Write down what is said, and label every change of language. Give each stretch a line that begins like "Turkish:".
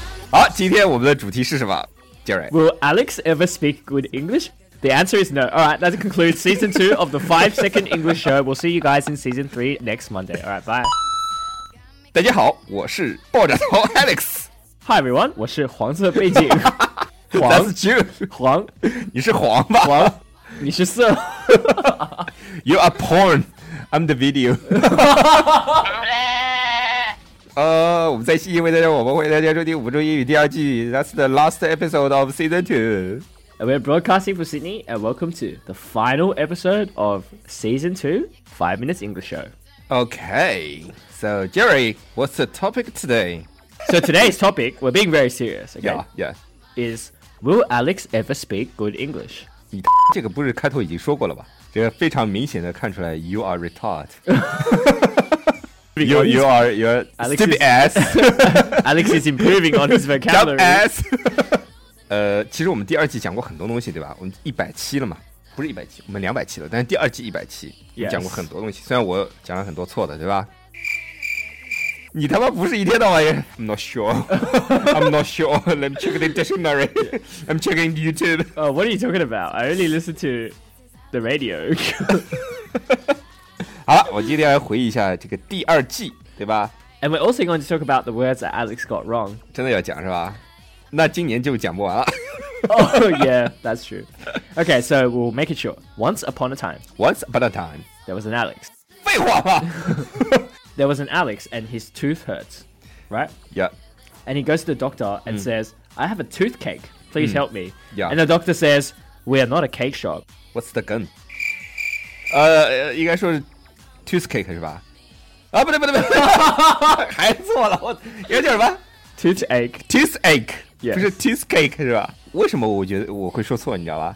Chinese: 好，今天我们的主题是什么 ？Jerry，
English: Will Alex ever speak good English？ The answer is no. All right, that concludes season 2 of the 5-Second English Show. We'll see you guys in season 3 next Monday. All right, bye.
Chinese: 大家好，我是爆炸头 Alex。
English: Hi everyone，
Chinese: 我是黄色背景。
English: That's true。
Chinese: 黄，你是黄吧？黄，你是色。
English: You are porn. I'm the video.
Chinese: 我们在悉尼为大家，我们为大家收听五周英语第二季。
English: That's the last episode of season 2. We're broadcasting from Sydney, and welcome to the final episode of Season 2, 5 Minutes English Show. Okay, so Jerry, what's the topic today? So today's topic, we're being very serious, okay? Yeah, yeah. Is, will Alex ever speak good English?
Chinese: 你这个不是开头已经说过了吧？这个非常明显的看出来
English: you are retard. you are stupid ass. Alex is improving on his vocabulary. Dumb ass.
Chinese: 其实我们第二季讲过很多东西，对吧？我们一百期了嘛，不是一百期，我们两百期了。但是第二季一百期，讲过很多东西。
English: Yes.
Chinese: 虽然我讲了很多错的，对吧？你他妈不是一天到晚
English: ？I'm not sure. I'm not sure. Let me check the dictionary. I'm checking YouTube. What are you talking about? I only listen to the radio.
Chinese: 好了，我今天来回忆一下这个第二季，对吧
English: ？And we're also going to talk about the words that Alex got wrong.
Chinese: 真的要讲是吧？那今年就讲不完了。
English: Oh yeah, that's true. Okay, so we'll make it short. Once upon a time. Once upon a time. There was an Alex.
Chinese: 废话吧。
English: There was an Alex and his tooth hurts, right? Yeah. And he goes to the doctor and says, I have a toothache, please help me. Yeah. And the doctor says, we are not a cake shop. What's the gun?
Chinese: 应该说是 toothache 是吧？啊，不对不对不对，还错了，我要叫什么？
English: Toothache. Yes.
Chinese: 不是 toothache 是吧？为什么我觉得我会说错，你知道吧